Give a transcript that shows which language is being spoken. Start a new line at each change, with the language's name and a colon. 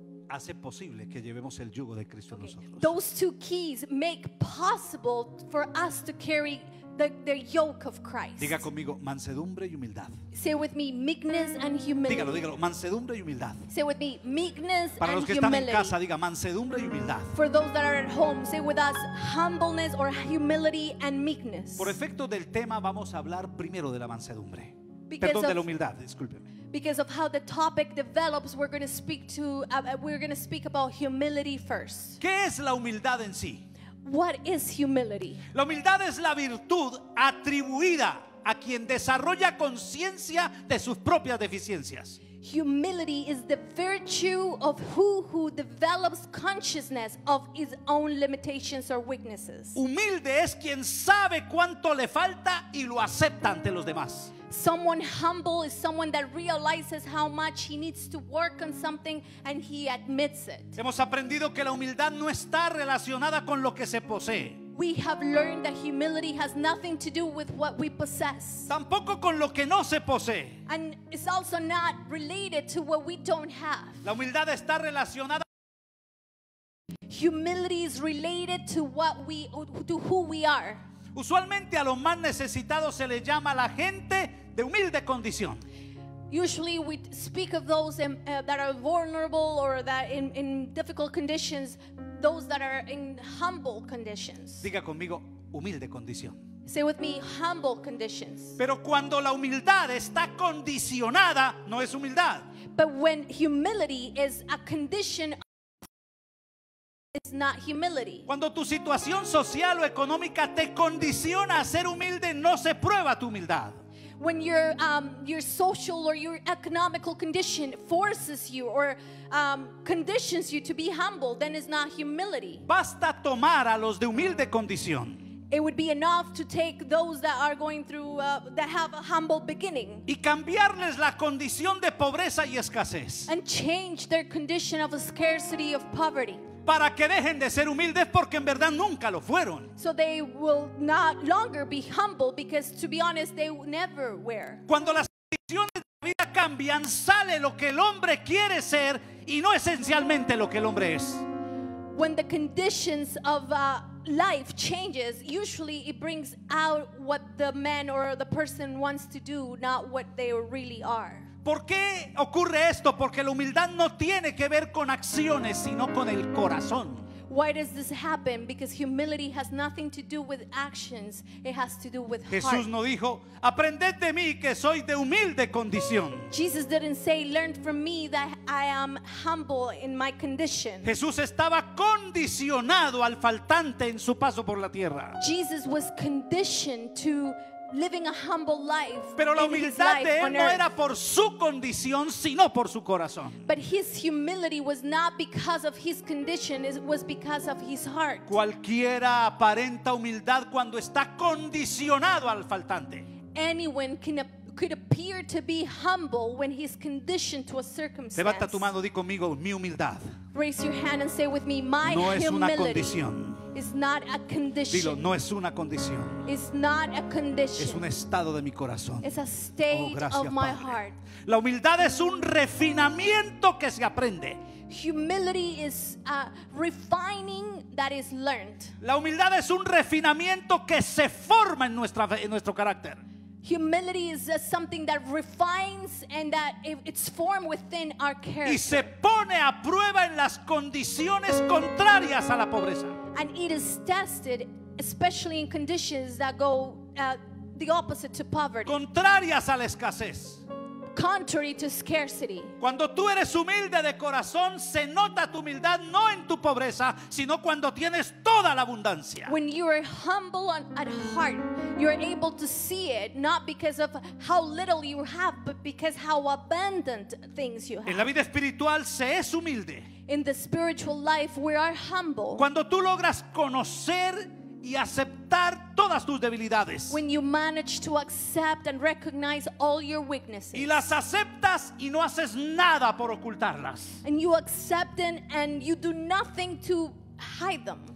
Spanish: hace posible que llevemos el yugo de Cristo en nosotros.
English: Those two keys make possible for us to carry the yoke of Christ.
Spanish: Diga conmigo, mansedumbre y humildad.
English: Say with me, meekness and humility.
Spanish: Dígalo, mansedumbre y humildad.
English: Say with me, meekness and humility.
Spanish: Para los que están en casa, diga mansedumbre y humildad.
English: For those that are at home, say with us, humbleness or humility and meekness.
Spanish: Por efecto del tema, vamos a hablar primero de la mansedumbre. Perdón, de la humildad, discúlpeme.
English: Because of how the topic develops, we're going to speak about humility first.
Spanish: ¿Qué es la humildad en sí?
English: What is humility?
Spanish: La humildad es la virtud atribuida a quien desarrolla conciencia de sus propias deficiencias.
English: Humility is the virtue of who develops consciousness of his own limitations or weaknesses.
Spanish: Humilde es quien sabe cuánto le falta y lo acepta ante los demás.
English: Someone humble is someone that realizes how much he needs to work on something and he admits it.
Spanish: Hemos aprendido que la humildad no está relacionada con lo que se posee.
English: We have learned that humility has nothing to do with what we possess.
Spanish: Tampoco con lo que no se posee.
English: And it's also not related to what we don't have.
Spanish: La humildad está relacionada.
English: Humility is related to what we, to who we are.
Spanish: Usualmente a los más necesitados se les llama la gente de humilde condición.
English: Usually we speak of those that are vulnerable or that in difficult conditions, those that are in humble conditions.
Spanish: Diga conmigo, humilde condición.
English: Say with me, humble conditions.
Spanish: Pero cuando la humildad está condicionada, no es humildad.
English: But when humility is a condition, it's not humility.
Spanish: Cuando tu situación social o económica te condiciona a ser humilde, no se prueba tu humildad.
English: When your social or your economical condition forces you or conditions you to be humble, then it's not humility.
Spanish: Basta tomar a los de humilde condición.
English: It would be enough to take those that are going through that have a humble beginning.
Spanish: Y cambiarles la condición de pobreza y escasez.
English: And change their condition of a scarcity of poverty.
Spanish: Para que dejen de ser humildes porque en verdad nunca lo fueron.
English: So they will not longer be humble because, to be honest, they never were.
Spanish: Cuando las condiciones de vida cambian, sale lo que el hombre quiere ser y no esencialmente lo que el hombre es.
English: When the conditions of life changes, usually it brings out what the man or the person wants to do, not what they really are.
Spanish: ¿Por qué ocurre esto? Porque la humildad no tiene que ver con acciones, sino con el corazón.
English: Why does this happen? Because humility has nothing to do with actions, it has to do with heart.
Spanish: Jesús no dijo, aprended de mí que soy de humilde condición.
English: Jesus didn't say, learn from me that I am humble in my condition.
Spanish: Jesús estaba condicionado al faltante en su paso por la tierra.
English: Jesus was conditioned to living a humble life.
Spanish: Pero la humildad de él no era por su condición, sino por su corazón.
English: But his humility was not because of his condition, it was because of his heart.
Spanish: Cualquiera aparenta humildad cuando está condicionado al faltante.
English: Anyone could appear to be humble when he's conditioned to a circumstance.
Spanish: Levanta tu mano, di conmigo, mi humildad.
English: Raise your hand and say with me, my
Spanish: no
English: humility.
Spanish: No es una condición.
English: It's not a condition.
Spanish: Dilo, no es una condición.
English: It's not a condition.
Spanish: Es un estado de mi corazón.
English: It's a state
Spanish: oh, gracias,
English: of my
Spanish: Padre.
English: Heart.
Spanish: La humildad es un refinamiento que se aprende.
English: Humility is a refining that is learned.
Spanish: La humildad es un refinamiento que se forma en nuestra en nuestro carácter.
English: Humility is something that refines and that it's formed within our character.
Spanish: Y se pone a prueba en las condiciones contrarias a la pobreza.
English: And it is tested, especially in conditions that go the opposite to poverty.
Spanish: Contrarias a la escasez.
English: Contrary to scarcity.
Spanish: Cuando tú eres humilde de corazón, se nota tu humildad no en tu pobreza, sino cuando tienes toda la abundancia.
English: When you are humble at heart, you are able to see it not because of how little you have, but because how abundant things you have.
Spanish: En la vida espiritual se es humilde.
English: In the spiritual life, we are humble.
Spanish: Cuando tú logras conocer y aceptar todas tus debilidades.
English: When you manage to accept and recognize all your weaknesses.
Spanish: Y las aceptas y no haces nada por ocultarlas.
English: And you accept them and you do nothing to hide them.